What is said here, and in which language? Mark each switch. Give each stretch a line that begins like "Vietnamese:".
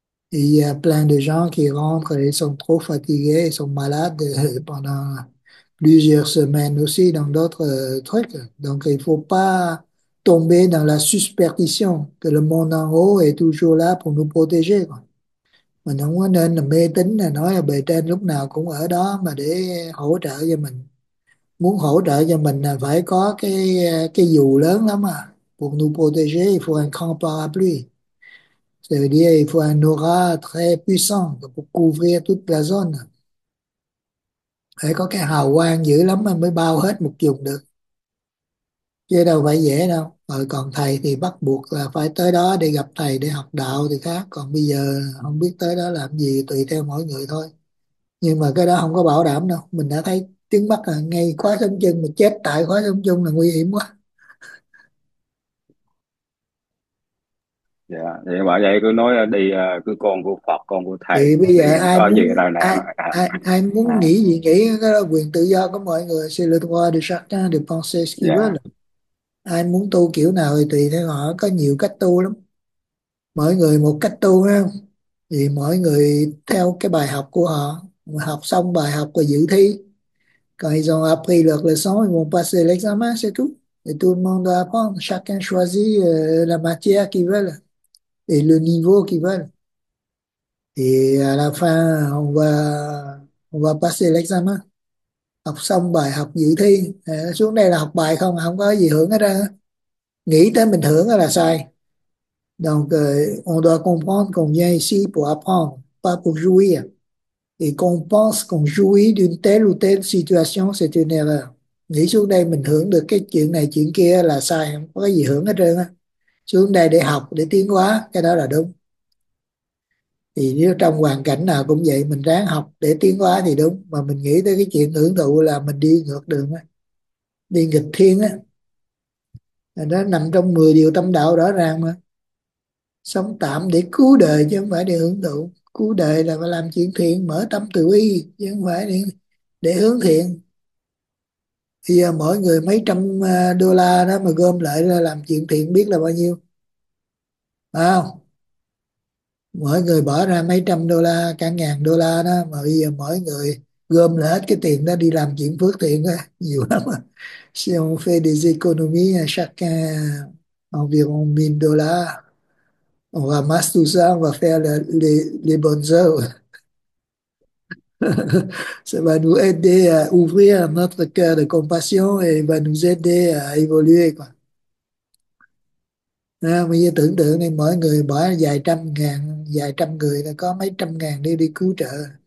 French: Et il y a plein de gens qui rentrent, ils sont trop fatigués, ils sont malades pendant plusieurs semaines aussi dans d'autres trucs. Donc il ne faut pas tomber dans la superstition que le monde en haut est toujours là pour nous protéger. Mais on
Vietnamese: nên mê tín là nói là bề trên lúc nào cũng ở đó mà để hỗ trợ cho mình. Muốn hỗ trợ cho mình là phải có cái dù lớn lắm à.
French: Pour nous protéger, il faut un grand parapluie. Ça veut dire il faut un aura très puissant pour couvrir toute la zone.
Vietnamese: Phải có cái hào quang dữ lắm mà mới bao hết một vùng được. Chứ đâu phải dễ đâu. Rồi còn thầy thì bắt buộc là phải tới đó để gặp thầy để học đạo thì khác. Còn bây giờ không biết tới đó làm gì tùy theo mỗi người thôi. Nhưng mà cái đó không có bảo đảm đâu. Mình đã thấy trước mắt là ngay khóa sống chung mà chết tại khóa sống chung là nguy hiểm quá. Thì bảo vậy cứ nói đi, cứ con của Phật, con của thầy, Thì bây con giờ đi ai có gì muốn đâu ai ai ai muốn nè. nghĩ gì nghĩ, cái đó quyền tự do của mọi người.
French: C'est le droit de chacun de penser ce qu'il veut.
Vietnamese: Ai muốn tu kiểu nào thì tùy theo họ, có nhiều cách tu lắm. Mỗi người một cách tu ha. Thì mỗi người theo cái bài học của họ, học xong bài học rồi dự thi.
French: Quand ils ont appris leur leçon, ils vont passer l'examen, c'est tout. Et tout le monde doit apprendre. Chacun choisit la matière qu'il veut et le niveau qu'il veut. Et à la fin, on va passer l'examen.
Vietnamese: Học xong bài học dự thi, xuống đây là học bài không, không có gì hưởng hết ra. Nghĩ tới mình hưởng là sai.
French: Donc, on doit comprendre qu'on vient ici pour apprendre, pas pour jouir. Et qu'on pense qu'on jouit d'une telle ou telle situation, c'est une erreur.
Vietnamese: Nghĩ xuống đây mình hưởng được cái chuyện này, chuyện kia là sai, không có gì hưởng hết trơn á. Xuống đây để học, để tiến hóa, cái đó là đúng. Thì nếu trong hoàn cảnh nào cũng vậy, mình ráng học để tiến hóa thì đúng, mà mình nghĩ tới cái chuyện hưởng thụ là mình đi ngược đường á, đi nghịch thiên á. Nó nằm trong 10 điều tâm đạo rõ ràng mà. Sống tạm để cứu đời chứ không phải để hưởng thụ. Cứu đời là phải làm chuyện thiện, mở tâm từ bi chứ không phải để hướng thiện. Thì giờ mỗi người mấy trăm đô la đó mà gom lại là làm chuyện thiện biết là bao nhiêu, phải không? Mỗi người bỏ ra mấy trăm đô la, cả ngàn đô la đó, mà bây giờ mỗi người gom lại hết cái tiền đó đi làm chuyện phước thiện đó, nhiều lắm.
French: Si on fait des économies à chacun environ 1000 đô la, on ramasse tout ça, on va faire les bonnes œuvres. Ça va nous aider à ouvrir notre cœur de compassion et va nous aider à évoluer, quoi.
Vietnamese: À, bây giờ tưởng tượng đi, mỗi người bỏ vài trăm ngàn, vài trăm người là có mấy trăm ngàn đi đi cứu trợ.